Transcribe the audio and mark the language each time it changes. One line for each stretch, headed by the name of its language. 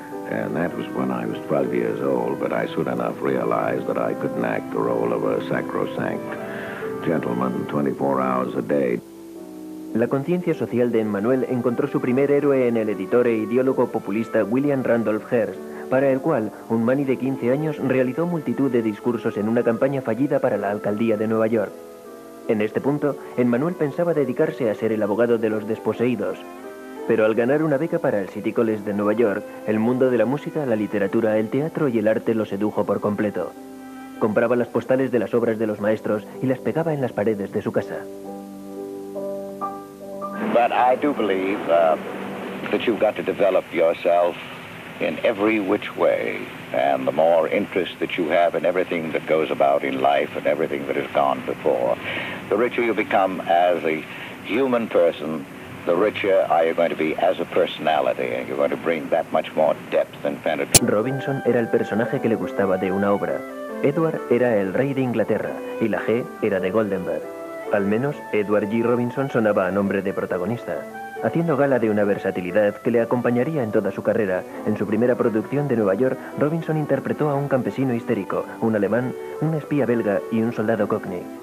English: And that was when I was 12 years old, but I soon enough realized that I couldn't act the role of a sacrosanct gentleman 24 hours a day.
Spanish: La conciencia social de Emmanuel encontró su primer héroe en el editor e ideólogo populista William Randolph Hearst, para el cual un Manny de 15 años realizó multitud de discursos en una campaña fallida para la alcaldía de Nueva York. En este punto, Emmanuel pensaba dedicarse a ser el abogado de los desposeídos. Pero al ganar una beca para el City College de Nueva York, el mundo de la música, la literatura, el teatro y el arte lo sedujo por completo. Compraba las postales de las obras de los maestros y las pegaba en las paredes de su casa.
English: But I do believe that you've got to develop yourself in every which way, and the more interest that you have in everything that goes about in life and everything that has gone before, the richer you become as a human person, the richer are you going to be as a personality, and you're going to bring that much more depth and penetration.
Spanish: Robinson era el personaje que le gustaba de una obra. Edward era el rey de Inglaterra, y la G era de Goldenberg. Al menos, Edward G. Robinson sonaba a nombre de protagonista, haciendo gala de una versatilidad que le acompañaría en toda su carrera. En su primera producción de Nueva York, Robinson interpretó a un campesino histérico, un alemán, un espía belga y un soldado cockney.